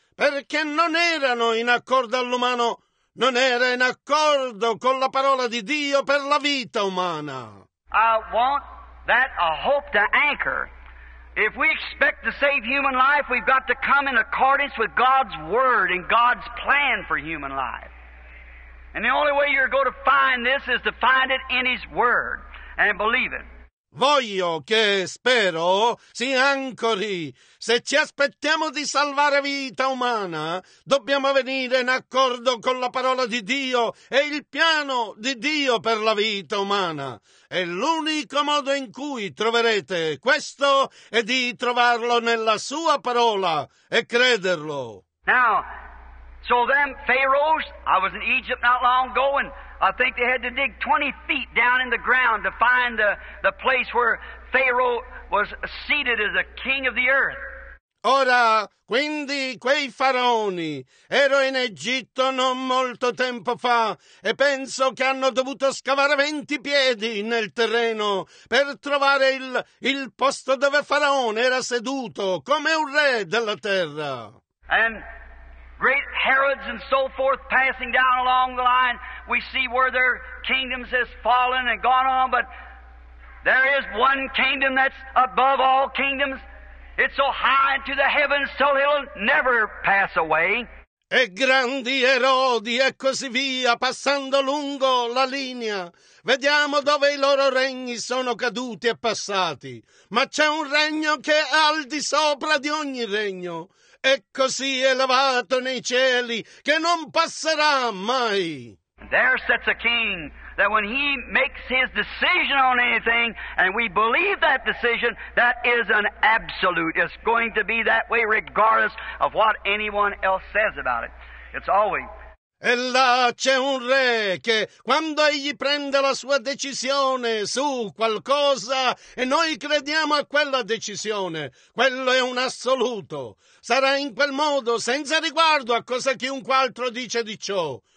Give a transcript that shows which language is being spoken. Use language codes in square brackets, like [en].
[it] Perché non erano in accordo all'umano, non era in accordo con la parola di Dio per la vita umana. [en] I want that a hope to anchor. If we expect to save human life, we've got to come in accordance with God's word and God's plan for human life. And the only way you're going to find this is to find it in His word and believe it. [it] Voglio che, spero, si ancori. Se ci aspettiamo di salvare vita umana, dobbiamo venire in accordo con la parola di Dio e il piano di Dio per la vita umana. E l'unico modo in cui troverete questo è di trovarlo nella sua parola e crederlo. [en] Now, so them pharaohs, I was in Egypt not long ago, and I think they had to dig 20 feet down in the ground to find the place where Pharaoh was seated as a king of the earth. [it] Ora, quindi quei faraoni, ero in Egitto non molto tempo fa e penso che hanno dovuto scavare 20 piedi nel terreno per trovare il posto dove Faraone era seduto come un re della terra. [en] And great Herods and so forth passing down along the line, we see where their kingdoms has fallen and gone on, but there is one kingdom that's above all kingdoms. It's so high into the heavens, so it'll never pass away. [it] e grandi Erodi e così via, passando lungo la linea. Vediamo dove i loro regni sono caduti e passati. Ma c'è un regno che è al di sopra di ogni regno, e così elevato nei cieli che non passerà mai. [en] There sits a king that when he makes his decision on anything, and we believe that decision, that is an absolute. It's going to be that way regardless of what anyone else says about it. It's always. [it] E là c'è un re che quando egli prende la sua decisione su qualcosa e noi crediamo a quella decisione, quello è un assoluto. Sarà in quel modo, senza riguardo a cosa chiunque altro dice di ciò.